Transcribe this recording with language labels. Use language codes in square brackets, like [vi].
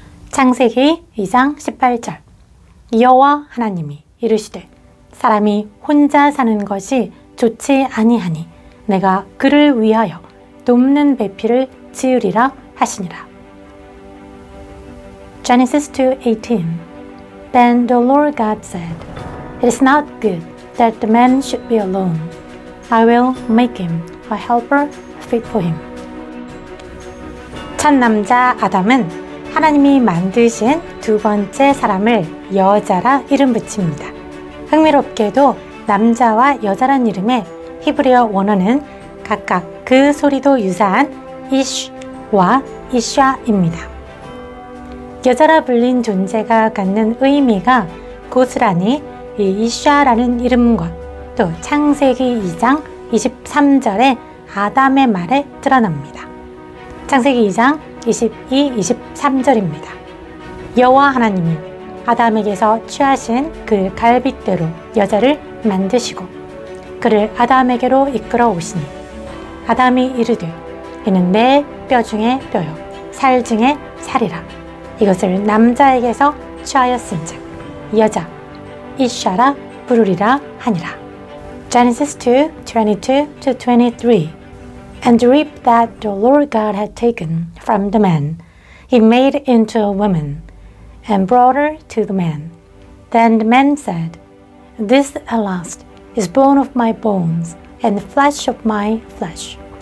[ko] 창세기 2장 18절 여호와 하나님이 이르시되 사람이 혼자 사는 것이 좋지 아니하니 내가 그를 위하여 돕는 배필을 지으리라 하시니라. [en] Genesis 2:18 Then the Lord God said, It is not good that the man should be alone. I will make him a helper fit for him. [ko] 첫 남자 아담은 하나님이 만드신 두 번째 사람을 여자라 이름 붙입니다. 흥미롭게도 남자와 여자란 이름의 히브리어 원어는 각각 그 소리도 유사한 이쉬와 이샤입니다. 여자라 불린 존재가 갖는 의미가 고스란히 이 이샤라는 이름과 또 창세기 2장 23절의 아담의 말에 드러납니다. 창세기 2장 22, 23절입니다. 여호와 하나님이 아담에게서 취하신 그 갈빗대로 여자를 만드시고 그를 아담에게로 이끌어 오시니 아담이 이르되 이는 내 뼈 중에 뼈요 살 중에 살이라 이것을 남자에게서 취하였은즉 여자 이샤라 부르리라 하니라. [en] Genesis 2:22-23 And the rib that the Lord God had taken from the man, he made into a woman, and brought her to the man. Then the man said, This at last is bone of my bones, and flesh of my flesh.